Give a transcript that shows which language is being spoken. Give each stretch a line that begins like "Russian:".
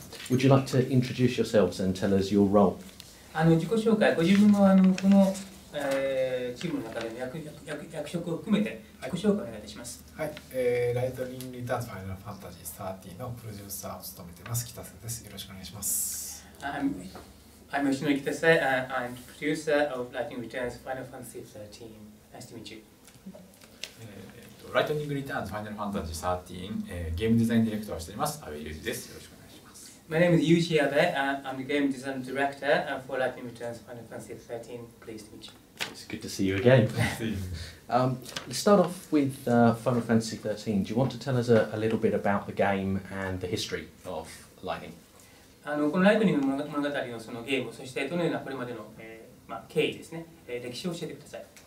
English: Would you like to introduce yourselves and tell us your role?
Japanese: 自己紹介、ご自分のこの、チームの中での 役職を含めて、はい、ご紹介お願いいたします。はい、ライトニングリターンズファイナルファンタジー30のプロデューサーを務めています北瀬です。よろしくお願いします。
English: I'm Yoshinori Kitase. I'm the producer of Lightning Returns Final Fantasy 13. Nice to meet you.
Japanese: Lightning Returns Final Fantasy 13. Game Design Director をしています阿部裕二です。よろしくお願いします。
English: My name is Yuji Abe. I'm the Game Design Director for Lightning Returns Final Fantasy 13. Pleased to meet you. It's good to see you again. Let's start off with Final Fantasy 13. Do you want to tell us a little bit about the game and the history of Lightning?
Japanese: このライトニング物語 の, そのゲーム、そしてどのようなこれまでの、まあ、経緯ですね、歴史を教えてください。